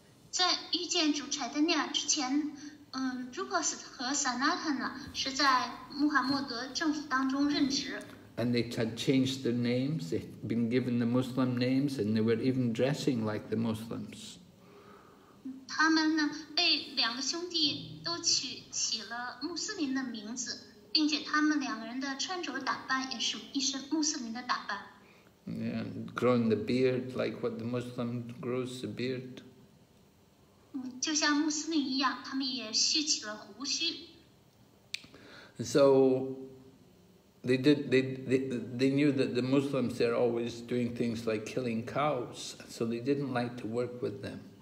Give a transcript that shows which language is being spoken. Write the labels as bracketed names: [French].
[Chinese] 在遇见主Chaitanya之前，Rupa和Sanatana是在穆罕默德政府当中任职。 [English] and they had changed their names, they'd been given the Muslim names, and they were even dressing like the Muslims. [Chinese] 他们呢,被两个兄弟都起了穆斯林的名字, 并且他们两个人的穿着打扮也是一身穆斯林的打扮。 [English] Yeah, growing the beard like what the Muslim grows the beard. [Chinese] 就像穆斯林一样,他们也蓄起了胡须。 [English] So they knew that the Muslims, they're always doing things like killing cows, so they didn't like to work with them.